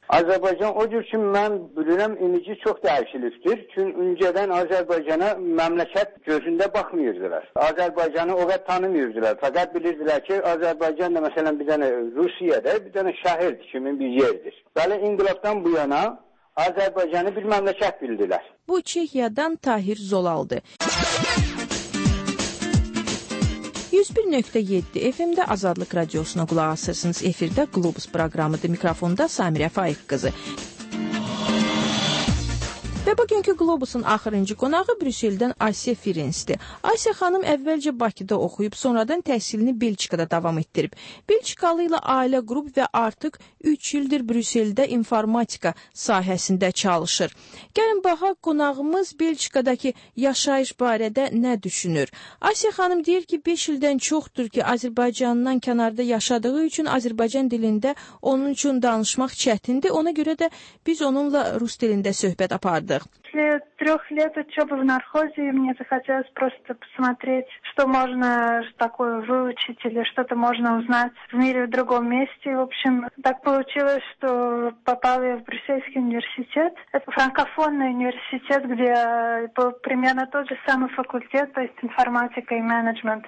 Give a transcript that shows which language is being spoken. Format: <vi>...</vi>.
<az>Azərbaycan o cür ki, mən bilirəm, imici çox dəyişilibdir. Çünki öncədən Azərbaycana məmləkət gözündə baxmıyırdılar. Azərbaycanı o qədər tanımıyırdılar. Fəqət bilirdilər ki, Azərbaycan da məsələn bir dənə Rusiyada bir dənə şəhərdir kimi bir yerdir. Bəli, inqilabdan bu yana Azərbaycanı bir məmləkət bildilər. Bu Çexiyadan Tahir Zolaldı. 101.7 FM-də Azadlıq Radiosuna qulaq asırsınız. Efirdə Globus proqramıdır. Mikrofonda Samirə Faiq qızı. Və Bugünkü Globusun axırıncı qonağı Brüsseldən Asiya Firinsdir. Asiya xanım əvvəlcə Bakıda oxuyub, sonradan təhsilini Belçikada davam etdirib. Belçikalı ilə ailə qrup və artıq 3 ildir Brüsseldə informatika sahəsində çalışır. Gəlin baha qonağımız Belçikadakı yaşayış barədə nə düşünür? Asiya xanım deyir ki, 5 ildən çoxdur ki, Azərbaycandan kənarda yaşadığı üçün Azərbaycan dilində onun üçün danışmaq çətindir. Ona görə də biz onunla rus dilində söhbət apardıq.</az> <ru>После трех лет учебы в нархозе мне захотелось просто посмотреть, что можно такое выучить или что-то можно узнать в мире в другом месте. В общем, так получилось, что попала я в Брюссельский университет. Это франкофонный университет, где был примерно тот же самый факультет, то есть информатика и менеджмент.</ru>